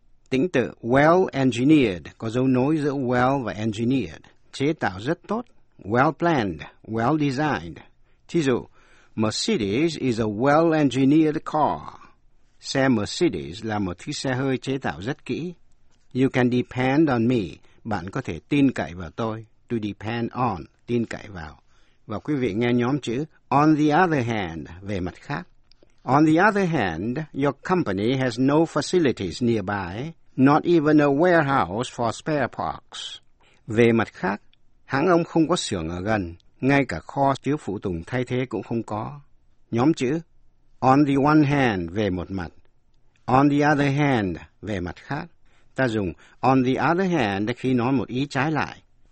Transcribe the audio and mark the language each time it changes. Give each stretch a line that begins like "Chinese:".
Vietnamese: Tính từ well engineered có dấu nối giữa well và engineered, chế tạo rất tốt,
English: well planned, well designed.
Vietnamese: Thí dụ,
English: Mercedes is a well engineered car.
Vietnamese: Xe Mercedes là một chiếc xe hơi chế tạo rất kỹ.
English: You can depend on me.
Vietnamese: Bạn có thể tin cậy vào tôi,
English: to depend on,
Vietnamese: tin cậy vào. Và quý vị nghe nhóm chữ
English: on the other hand,
Vietnamese: về mặt khác.
English: On the other hand, your company has no facilities nearby, not even a warehouse for spare parts.
Vietnamese: Về mặt khác, hãng ông không có xưởng ở gần, ngay cả kho chứa phụ tùng thay thế cũng không có. Nhóm chữ
English: on the one hand,
Vietnamese: về một mặt.
English: On the other hand,
Vietnamese: về mặt khác. Ta dùng
English: on the other hand
Vietnamese: khi nói một ý trái lại.